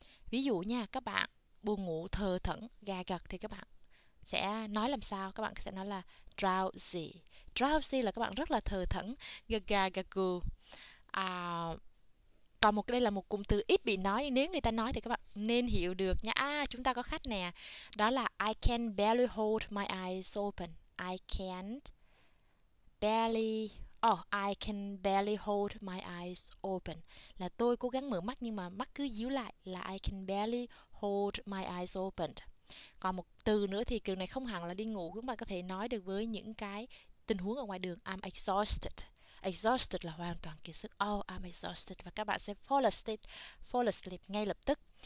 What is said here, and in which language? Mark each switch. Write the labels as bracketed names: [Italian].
[Vietnamese] Ví dụ nha, các bạn buồn ngủ thờ thẫn gà gật thì các bạn sẽ nói làm sao? Các bạn sẽ nói là drowsy. Drowsy là các bạn rất là thờ thẫn, gà gù. Còn một đây là một cụm từ ít bị nói, nếu người ta nói thì các bạn nên hiểu được nha. Chúng ta có khách nè. Đó là [English] I can barely hold my eyes open. I can't barely I can barely hold my eyes open. [Vietnamese] Là tôi cố gắng mở mắt nhưng mà mắt cứ díu lại, là [English] I can barely hold my eyes open. [Vietnamese] Còn một từ nữa thì từ này không hẳn là đi ngủ, chúng ta có thể nói được với những cái tình huống ở ngoài đường. [English] I'm exhausted. [Vietnamese] Exhausted là hoàn toàn kiệt sức. [English] Oh, I'm exhausted. [Vietnamese] Và các bạn sẽ [English] fall asleep [Vietnamese] ngay lập tức.